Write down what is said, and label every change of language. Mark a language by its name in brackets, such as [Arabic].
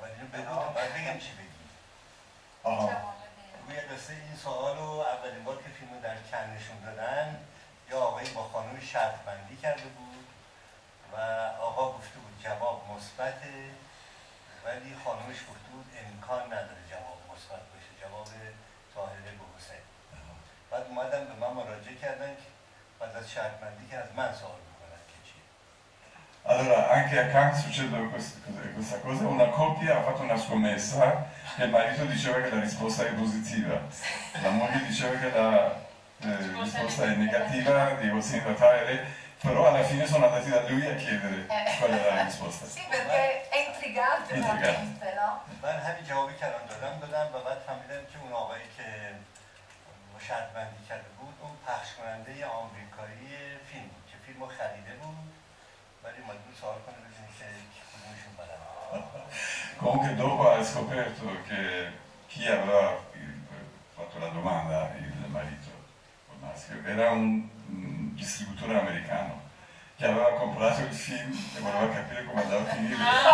[Persian] بگم چی بگی؟ آها روی قصه این سوال رو اولین بار که فیلم رو در کن نشون دادن یه آقایی با خانم شرط بندی کرده بود و آقا گفته بود جواب مثبته ولی خانمش گفته بود امکان نداره جواب مثبت باشه جواب طاهره به حسین شرمندی که از من سوال میکنن که چی. [Italian] Allora, anche a Kant succede questa cosa, una coppia ha fatto una scommessa e il marito diceva che la risposta è positiva, la moglie diceva che la risposta è negativa, dico sì, in realtà è lei, però alla fine sono andati da lui a chiedere qual è la risposta. Sì, perché è intrigante, intrigante. [Persian] من همین جوابی که الان دادم دادم و بعد فهمیدم که اون آقایی که مشرط‌بندی کرده بود اون پخش کننده آمریکایی فیلم بود که فیلمو خریده بود ولی اومد اون سوال کنه ببین چه کدومشون بلد [Italian] comunque dopo ha scoperto che chi aveva fatto la domanda il marito il maschio era un distributore americano che aveva comprato il film e voleva capire come andava a finire.